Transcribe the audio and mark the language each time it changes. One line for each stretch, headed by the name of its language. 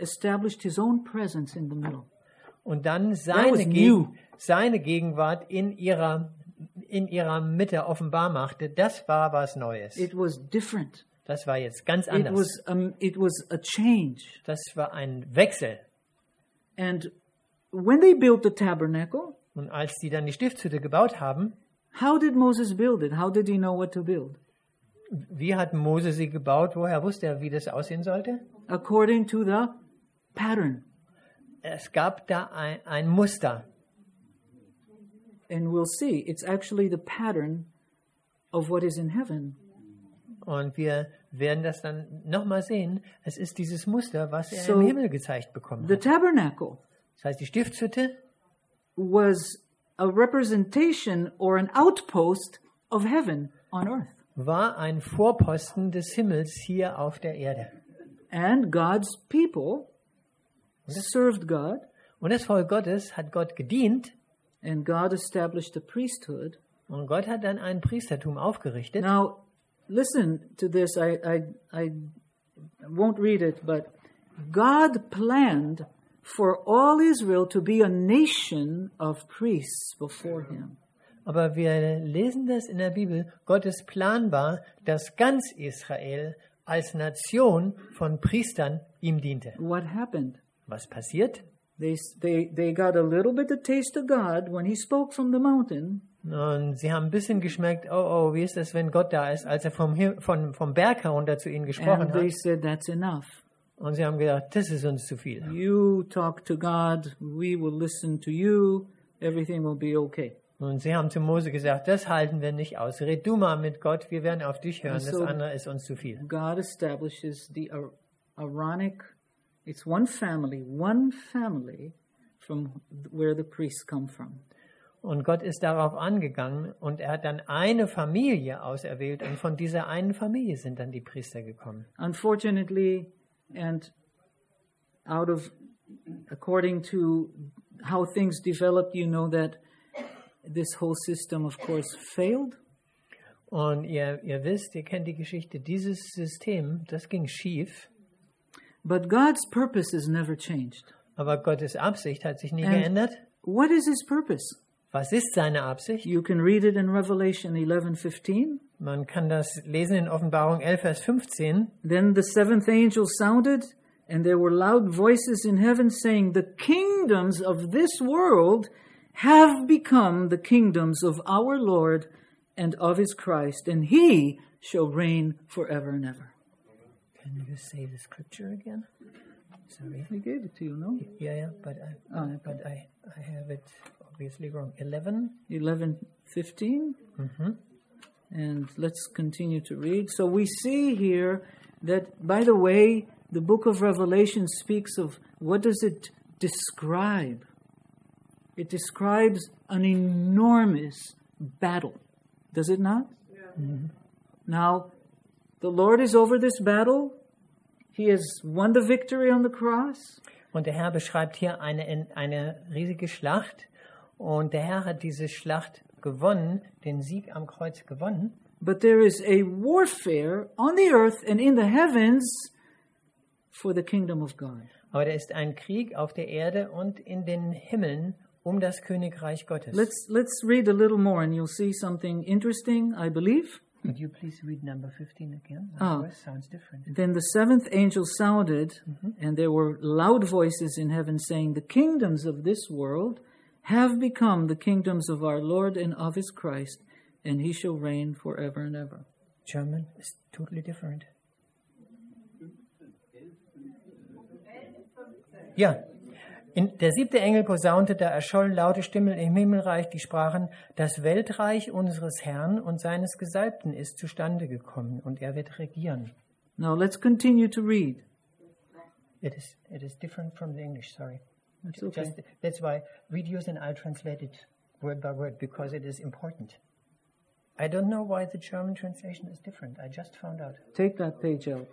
English: Established his own presence in the middle.
German: Und dann seine Gegenwart in ihrer Mitte offenbar machte. Das war was Neues.
English: It was different.
German: Das war jetzt ganz anders.
English: It was a change.
German: Das war ein Wechsel.
English: And when they built the tabernacle,
German: und als die dann die Stiftshütte gebaut haben,
English: how did Moses build it? How did he know what to build?
German: Wie hat Mose sie gebaut? Woher wusste er, wie das aussehen sollte?
English: According to the pattern.
German: Es gab da ein Muster.
English: And we'll see, it's actually the pattern of what is in heaven.
German: Und wir werden das dann nochmal sehen. Es ist dieses Muster, was er im Himmel gezeigt bekommen
English: the The tabernacle.
German: Das heißt, die Stiftshütte
English: was a representation or an outpost of heaven on earth.
German: War ein Vorposten des Himmels hier auf der Erde.
English: And God's people served God.
German: Und das Volk Gottes hat Gott gedient.
English: And God established a priesthood.
German: Und Gott hat dann ein Priestertum aufgerichtet.
English: Now, listen to this. I won't read it, but God planned for all Israel to be a nation of priests before him.
German: Aber wir lesen das in der Bibel. Gottes Plan war, dass ganz Israel als Nation von Priestern ihm diente.
English: What happened?
German: Was passiert?
English: They got a little bit of taste of God when he spoke from the mountain.
German: Und sie haben ein bisschen geschmeckt, oh, wie ist das, wenn Gott da ist, als er vom Berg herunter zu ihnen gesprochen hat.
English: And they said, that's enough.
German: Und sie haben gedacht, das ist uns zu viel.
English: You talk to God, we will listen to you, everything will be okay.
German: Und sie haben zu Mose gesagt, das halten wir nicht aus. Red du mal mit Gott, wir werden auf dich hören, das andere ist uns zu viel.
English: God establishes the Aaronic, it's one family from where the priests come from.
German: Und Gott ist darauf angegangen und er hat dann eine Familie auserwählt und von dieser einen Familie sind dann die Priester gekommen.
English: Unfortunately, and according to how things developed, you know that this whole system of course failed.
German: Und ihr wisst, ihr kennt die Geschichte, dieses System, das ging schief.
English: But God's purpose has never changed.
German: Aber Gottes Absicht hat sich nie geändert.
English: What is his purpose?
German: Was ist seine Absicht?
English: You can read it in Revelation 11:15.
German: Man kann das lesen in Offenbarung 11, Vers 15.
English: Then the seventh angel sounded, and there were loud voices in heaven saying, the kingdoms of this world have become the kingdoms of our Lord and of his Christ, and he shall reign forever and ever. Can you say the scripture again? Sorry, I gave it to you, no? Yeah, but I have it obviously wrong. 11. 11:15. Mm-hmm. And let's continue to read. So we see here that, by the way, the book of Revelation speaks of, what does it describe? It describes an enormous battle. Does it not? Yeah. Mm-hmm. Now, the Lord is over this battle. He has won the victory on the cross.
German: Und der Herr beschreibt hier eine riesige Schlacht. Und der Herr hat diese Schlacht gewonnen, den Sieg am Kreuz gewonnen.
English: But there is a warfare on the earth and in the heavens for the kingdom of God.
German: Aber da ist ein Krieg auf der Erde und in den Himmeln um das Königreich Gottes.
English: Let's read a little more and you'll see something interesting, I believe. Could you please read number 15 again? That sounds different. Then the seventh angel sounded, mm-hmm. and there were loud voices in heaven saying, the kingdoms of this world have become the kingdoms of our Lord and of his Christ, and he shall reign forever and ever. German is totally different.
German: Ja, der siebte Engel posaunte, da erschollen laute Stimmen im Himmelreich, die sprachen, das Weltreich unseres Herrn und seines Gesalbten ist zustande gekommen und er wird regieren.
English: Now let's continue to read. It is different from the English, sorry. That's okay. Just, that's why read yours and I'll translate it word by word, because it is important. I don't know why the German translation is different. I just found out. Take that page out.